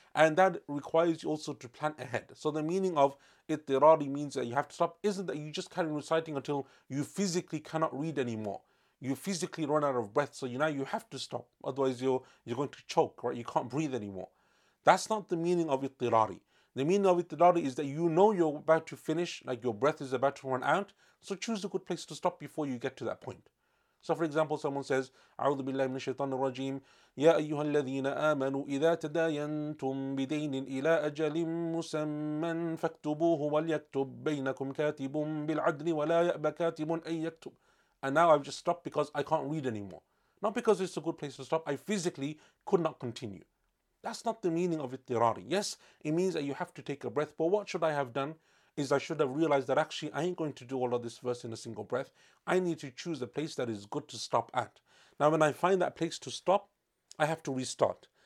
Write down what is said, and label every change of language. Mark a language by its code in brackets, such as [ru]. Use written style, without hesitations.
[en] And that requires you also to plan ahead. So the meaning of ittirari means that you have to stop isn't that you just carry on reciting until you physically cannot read anymore. You physically run out of breath, so now you have to stop, otherwise you're going to choke, right? You can't breathe anymore. That's not the meaning of ittirari. The meaning of ittirari is that you know you're about to finish, like your breath is about to run out, so choose a good place to stop before you get to that point. So for example, someone says, [ar] أعوذ بالله من الشيطان الرجيم يا أيها الذين آمنوا إذا تداينتم بدين إلى أجل مسمى فاكتبوه وليكتب بينكم كاتب بالعدل ولا يأبى كاتب أن يكتب. [en] And now I've just stopped because I can't read anymore. Not because it's a good place to stop, I physically could not continue. That's not the meaning of ittirari. Yes, it means that you have to take a breath, but what should I have done is I should have realized that actually I ain't going to do all of this verse in a single breath. I need to choose a place that is good to stop at. Now, when I find that place to stop, I have to restart.